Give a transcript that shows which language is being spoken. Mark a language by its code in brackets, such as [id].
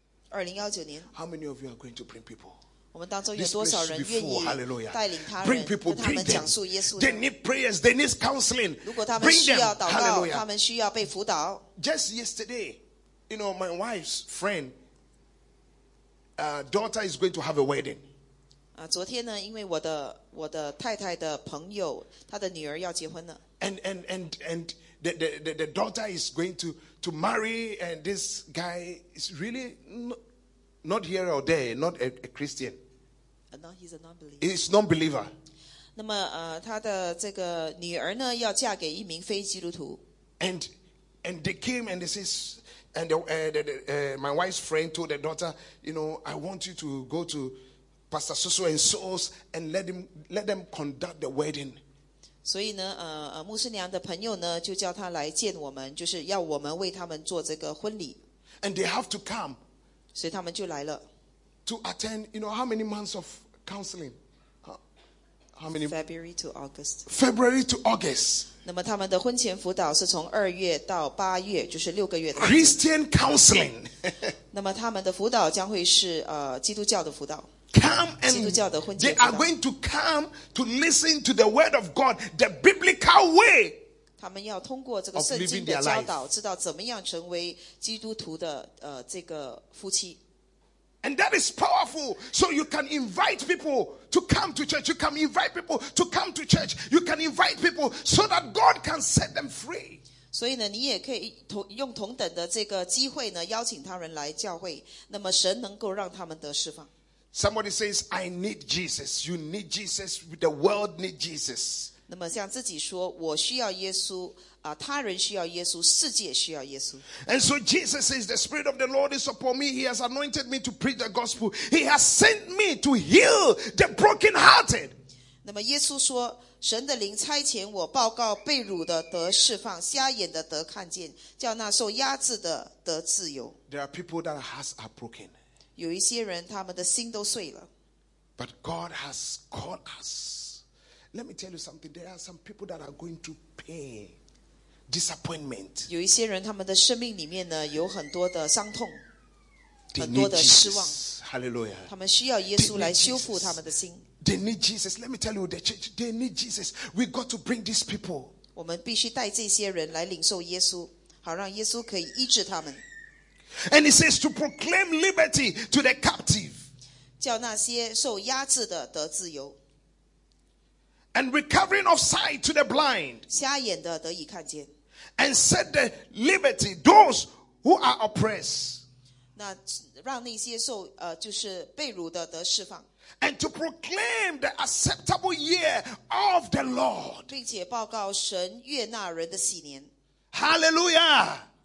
[en] 2019年 How many of you are going to bring people? [zh] 我们当中有多少人愿意带领他人 [en] bring people, bring them. [zh] 跟他们讲述耶稣 [en] 的 They need prayers, they need counseling [zh] 如果他们需要祷告他们需要被辅导 [en] Just yesterday you know my wife's friend daughter is going to have a wedding [zh] 昨天呢，因为我的太太的朋友，她的女儿要结婚了。 [en] And the daughter is going to marry, and this guy is really not here or there, not a Christian. No, he's a non-believer. He's non-believer. [zh] 那么她的这个女儿呢，要嫁给一名非基督徒。 [en] And they came and they says, and my wife's friend told the daughter, you know, I want you to go to. Pastor Susu and Souls, and let them conduct the wedding. [zh] 所以呢，牧师娘的朋友呢，就叫他来见我们，就是要我们为他们做这个婚礼。 [en] And they have to come. [zh] 所以他们就来了。 [en] To attend, you know, how many months of counseling? How many? February to August. February to August. [zh] 那么他们的婚前辅导是从二月到八月，就是六个月的。 [en] Christian counseling. [zh] 那么他们的辅导将会是基督教的辅导。 [en] Come and they are going to come to listen to the word of God, the biblical way [zh] 他们要通过这个圣经的教导，知道怎么样成为基督徒的这个夫妻。 [en] And that is powerful. So you can invite people to come to church. You can invite people to come to church. You can invite people so that God can set them free. [zh] 所以呢，你也可以用同等的这个机会呢，邀请他人来教会，那么神能够让他们得释放。 [en] Somebody says, I need Jesus. You need Jesus. The world need Jesus. [zh] 那么像自己说，我需要耶稣。他人需要耶稣，世界需要耶稣。 [en] And so Jesus says, the spirit of the Lord is upon me. He has anointed me to preach the gospel. He has sent me to heal the brokenhearted. [zh] 那么耶稣说，神的灵差遣我报告被掳的得释放，瞎眼的得看见，叫那受压制的得自由。 [en] There are people that hearts are broken. [zh] 有一些人他们的心都碎了。 [en] But God has called us. Let me tell you something. There are some people that are going to pay. Disappointment. [zh] 有一些人他们的生命里面呢有很多的伤痛，很多的失望。 [en] Hallelujah. [zh] 他们需要耶稣来修复他们的心。 [en] They need Jesus. Let me tell you, the church, they need Jesus. We got to bring these people. [zh] 我们必须带这些人来领受耶稣，好让耶稣可以医治他们。 [en] And he says to proclaim liberty to the captive. [zh] 叫那些受压制的得自由。 [en] And recovering of sight to the blind. [zh] 瞎眼的得以看见。 [en] And set the liberty those who are oppressed. [zh] 那让那些受就是被掳的得释放。 [en] And to proclaim the acceptable year of the Lord. [zh] 并且报告神悦纳人的喜年。 [en] Hallelujah!